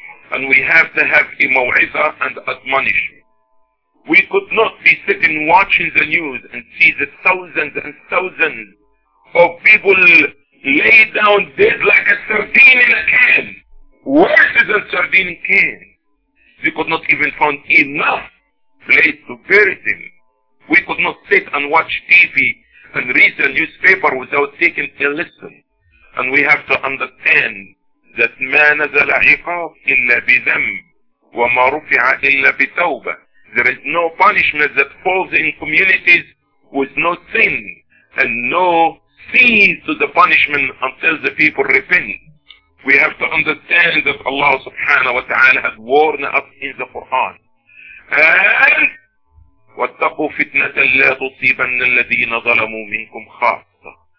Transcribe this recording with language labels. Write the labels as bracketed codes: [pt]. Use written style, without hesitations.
[en] And we have to have a maw'iza and admonishment. We could not be sitting watching the news and see the thousands and thousands of people laid down dead like a sardine in a can. Worse than sardine can. We could not even find enough place to bury them. We could not sit and watch TV and read the newspaper without taking a lesson. And we have to understand that [ar] ما نزل عقاب إلا بذنب وما رفع إلا بتوبة. [en] There is no punishment that falls in communities with no sin and no see to the punishment until the people repent. We have to understand that Allah subhanahu wa ta'ala has warned us in the Quran. [ar] And وَاتَّقُوا فِتْنَةً لَا تُصِيبَنَّ الَّذِينَ ظَلَمُوا مِنْكُمْ خَاصَّةً.